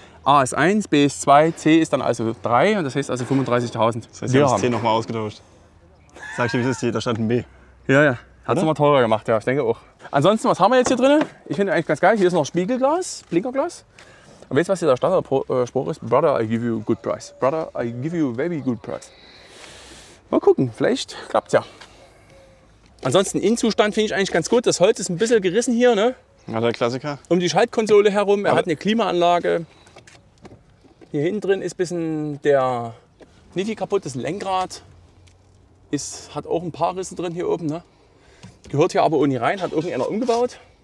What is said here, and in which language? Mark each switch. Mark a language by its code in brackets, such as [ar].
[de] A ist 1, B ist 2, C ist dann also 3 und das heißt also 35.000. Das heißt, wir haben das C nochmal ausgetauscht. Sag ich dir, wie ist es hier? Da stand ein B. Ja, ja. Hat es nochmal teurer gemacht, ja, ich denke auch. Ansonsten, was haben wir jetzt hier drin? Ich finde eigentlich ganz geil. Hier ist noch Spiegelglas, Blinkerglas. Und weißt du, was hier der Standardspruch ist? [en] Brother, I give you a good price. Brother, I give you a very good price. [de] Mal gucken, vielleicht klappt's ja. Ansonsten, Innenzustand finde ich eigentlich ganz gut. Das Holz ist ein bisschen gerissen hier, ne? Ja, der Klassiker. Um die Schaltkonsole herum, er hat eine Klimaanlage. Hier hinten drin ist ein bisschen der Niffi kaputt, das Lenkrad. Hat auch ein paar Risse drin hier oben. Ne? Gehört hier aber ohne rein, hat irgendeiner umgebaut.